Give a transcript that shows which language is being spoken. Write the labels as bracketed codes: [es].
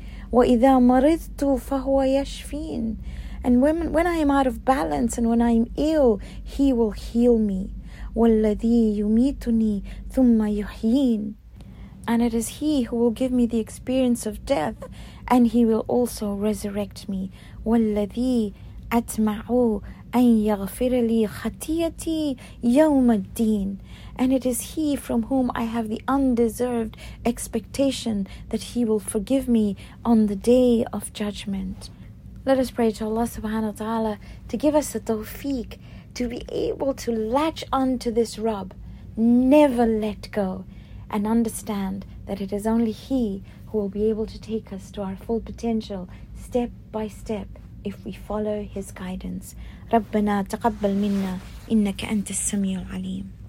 [ar] "Wa'idha maridtu fahuwa yashfeen." [en] And when I am out of balance and when I am ill, he will heal me. [ar] والذي يميتني ثم يحيين. [en] And it is he who will give me the experience of death, and he will also resurrect me. [ar] والذي أتمع أن يغفر لي خطيئتي يوم الدين. [en] And it is he from whom I have the undeserved expectation that he will forgive me on the day of judgment. Let us pray to Allah subhanahu wa ta'ala to give us the tawfiq to be able to latch onto this Rabb, never let go, and understand that it is only he who will be able to take us to our full potential step by step if we follow his guidance. [ar] ربنا تقبل منا إنك أنت السميع العليم.